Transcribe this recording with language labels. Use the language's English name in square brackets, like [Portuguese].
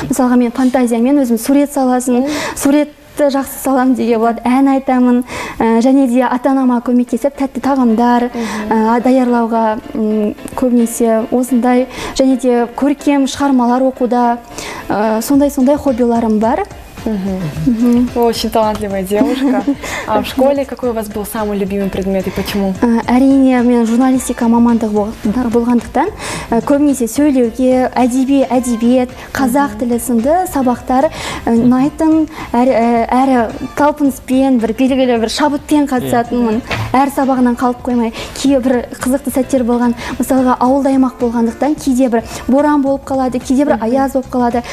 [Kazakh] Мысалға мен фантазиямен өзім сурет саласын, сурет жақсы салам деге болады, ән айтамын, және де ата-анама көмектесіп тәтті тағамдар даярлауға көбінесе осындай, және де көркем шығармалар оқуда сондай-сондай хоббиларым бар. [Russian] Очень талантливая девушка. А в школе какой у вас был самый любимый предмет и почему? [Kazakh] Әрине, мен журналистика мамандығы болғандықтан, көбінесе сөйлеуге, әдебиет, қазақ тілі сынды сабақтар ұнайтын, әрі талпыныспен, бір белгілі бір шабытпен қатысатынмын. Әр сабағынан қалып қоймай, кейбір қызықты сәттер болған, мысалға ауылда аймақ болғандықтан, кейде бір боран болып қалады, кейде бір аяз болып қалады.